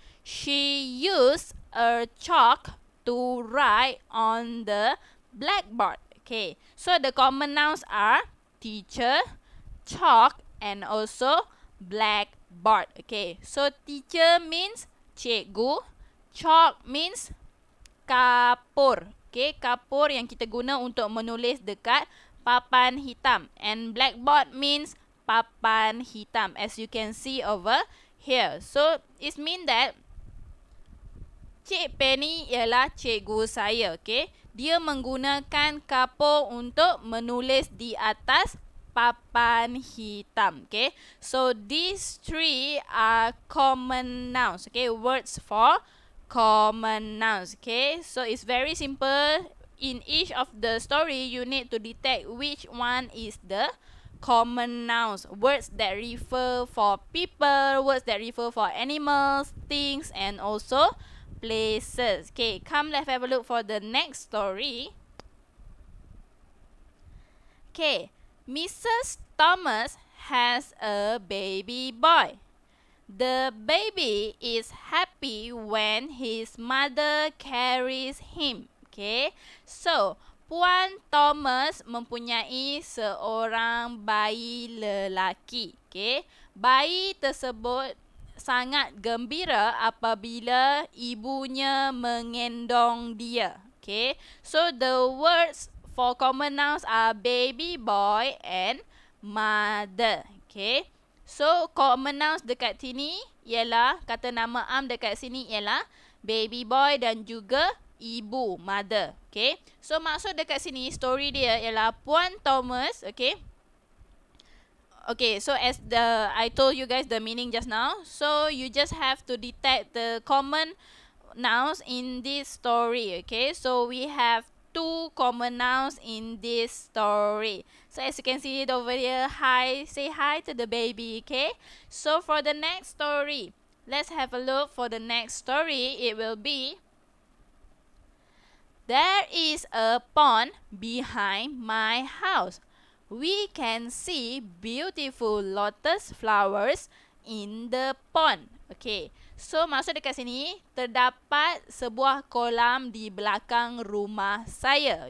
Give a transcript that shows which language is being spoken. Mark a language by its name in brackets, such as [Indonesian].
[English] She used a chalk to write on the blackboard. Okay, so the common nouns are teacher, chalk and also blackboard. Okay, so teacher means cikgu, chalk means kapur. [Malay] Okay, kapur yang kita guna untuk menulis dekat papan hitam. [English] And blackboard means papan hitam, as you can see over here. So it mean that Cik Penny [Malay] ialah cikgu saya, [English] okay? [Malay] Dia menggunakan kapur untuk menulis di atas papan hitam, okay? [English] So, these three are common nouns, okay? Words for common nouns, okay? So it's very simple. In each of the story, you need to detect which one is the common nouns. Words that refer for people, words that refer for animals, things, and also places. Okay, come, let's have a look for the next story. Okay, Mrs. Thomas has a baby boy. The baby is happy when his mother carries him. [Malay] Okay, so Puan Thomas mempunyai seorang bayi lelaki. Okay, bayi tersebut sangat gembira apabila ibunya mengendong dia. [English] Okay, so the words for common nouns are baby boy and mother. [Malay] Okay, so common nouns dekat sini ialah kata nama am dekat sini ialah baby boy dan juga ibu, mother. Okay, so maksud dekat sini story dia ialah Puan Thomas. [English] Okay, okay, so as the I told you guys the meaning just now, so you just have to detect the common nouns in this story. Okay, so we have two common nouns in this story. So as you can see it over here, hi, say hi to the baby. Okay, so for the next story, let's have a look for the next story. It will be, there is a pond behind my house. We can see beautiful lotus flowers in the pond. [Malay] Okay, so maksud dekat sini, terdapat sebuah kolam di belakang rumah saya.